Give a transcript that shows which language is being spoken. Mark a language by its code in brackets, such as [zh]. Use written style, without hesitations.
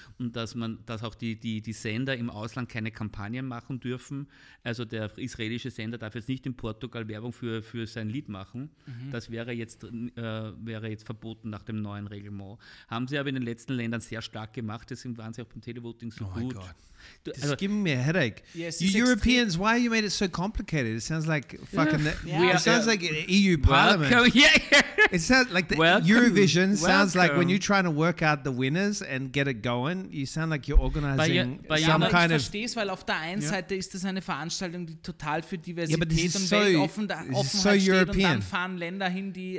[de] Und dass auch die Sender im Ausland keine Kampagnen machen dürfen. Also der israelische Sender darf jetzt nicht in Portugal Werbung für sein Lied machen. Mhm. Das wäre jetzt verboten nach dem neuen Reglement. Haben sie aber in den letzten Ländern sehr stark gemacht. Waren sie auch beim Televoting so gut. [en] It's giving me a headache. Yes, you Europeans, extreme. Why you made it so complicated? It sounds like fucking. Yeah. It sounds like an EU Parliament. Welcome, yeah. It sounds like the welcome. Eurovision sounds welcome. Like when you're trying to work out the winners and get it going, you sound like you're organizing some kind of. [de] Ich verstehe es, weil auf der einen Seite ist das eine Veranstaltung, die total für Diversität und Weltoffenheit steht, European. Und dann fahren Länder hin, die